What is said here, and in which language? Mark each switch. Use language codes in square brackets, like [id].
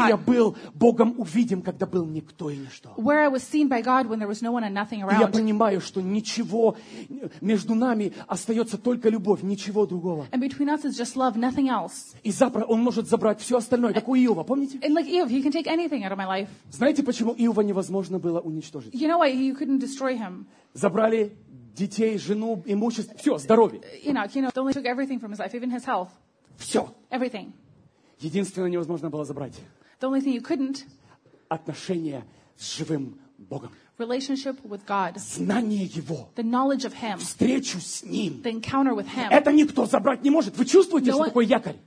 [ru] Где я был Богом увидим, когда был никто и ничто. [en] Where I was seen by God when there was no one and nothing around. [ru] И я понимаю, что ничего между нами остается только любовь, ничего другого. [en] And between us is just love, nothing else. [ru] И завтра он может забрать все остальное, как у Иова, помните? [en] And like Eve, he can take anything out of my life. [ru] Знаете, почему Иова невозможно было уничтожить? [en] You know why you couldn't destroy him? [ru] Забрали детей, жену, имущество, все, здоровье. [en] You know, they only took everything from his life, even his health. [ru] Все. [en] Everything. [ru] Единственное, невозможно было забрать. [en] The only thing you couldn't. [ru] Отношения с живым Богом. [en] Relationship with God. [ru] Знание Его. [en] The knowledge of Him. [ru] Встречу с Ним. [en] The encounter with Him. [ru] Это никто забрать не может. Вы чувствуете, что такое якорь?